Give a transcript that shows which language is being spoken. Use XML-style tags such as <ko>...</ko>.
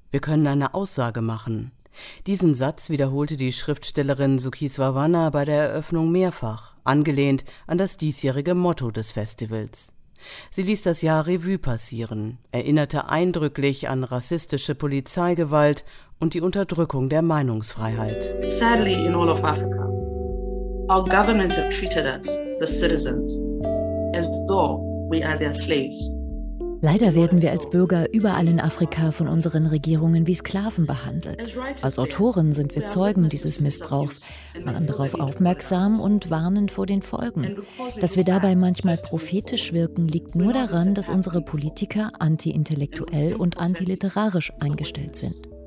<de>Wir können eine Aussage machen. Diesen Satz wiederholte die Schriftstellerin Sukiswa Wana bei der Eröffnung mehrfach, angelehnt an das diesjährige Motto des Festivals. Sie ließ das Jahr Revue passieren, erinnerte eindrücklich an rassistische Polizeigewalt und die Unterdrückung der Meinungsfreiheit.</de> <en>Sadly, in all of Africa, our governments have treated us, the citizens, as though we are their slaves.</en> <de>Leider werden wir als Bürger überall in Afrika von unseren Regierungen wie Sklaven behandelt. Als Autoren sind wir Zeugen dieses Missbrauchs, machen darauf aufmerksam und warnen vor den Folgen. Dass wir dabei manchmal prophetisch wirken, liegt nur daran, dass unsere Politiker anti-intellektuell und antiliterarisch eingestellt sind.</de>